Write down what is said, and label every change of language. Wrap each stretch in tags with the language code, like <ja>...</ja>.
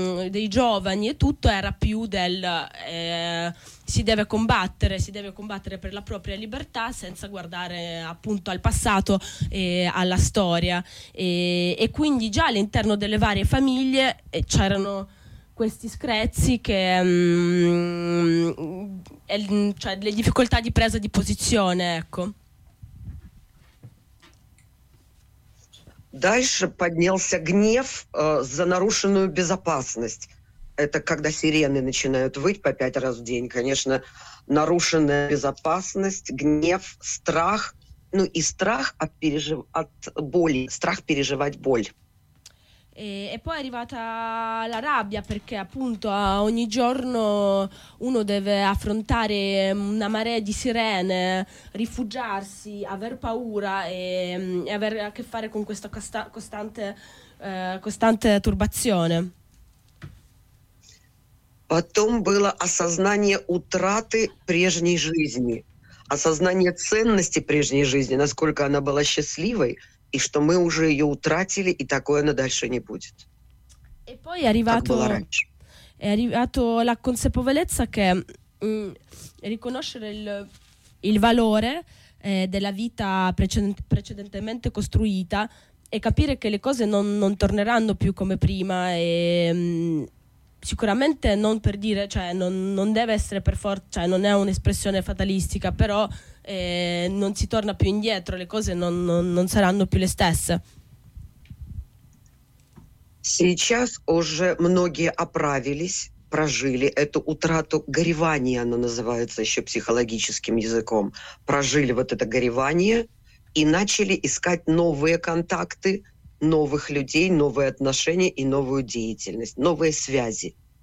<it>dei giovani e tutto era più del si deve combattere per la propria libertà senza guardare appunto al passato e alla storia, e quindi già all'interno delle varie famiglie c'erano questi screzi che cioè le difficoltà di presa di posizione, ecco.</it> <ru>Дальше поднялся гнев за нарушенную безопасность. Это когда сирены начинают выть по 5 раз в день, конечно, нарушенная безопасность, гнев, страх, ну и страх от боли, страх переживать боль.</ru> <it>E poi è arrivata la rabbia, perché appunto ogni giorno uno deve affrontare una marea di sirene, rifugiarsi, aver paura e avere a che fare con questa costante turbazione.</it> <ru>Потом было осознание утраты прежней жизни, осознание ценности прежней жизни, насколько она была счастливой. И что мы уже ее утратили, и такое она дальше не будет.</ru> <it>E poi è arrivato la consapevolezza che riconoscere il valore della vita precedentemente costruita e capire che le cose non torneranno più come prima, e sicuramente non per dire, cioè non deve essere per forza, cioè non è un'espressione fatalistica, però non si torna più indietro, le cose non saranno più le stesse.</it> <ru>Сейчас уже многие оправились, прожили эту утрату, горевание оно называется еще психологическим языком, прожили вот это горевание и начали искать новые контакты, новых людей, новые отношения и новую деятельность, новые связи.</ru>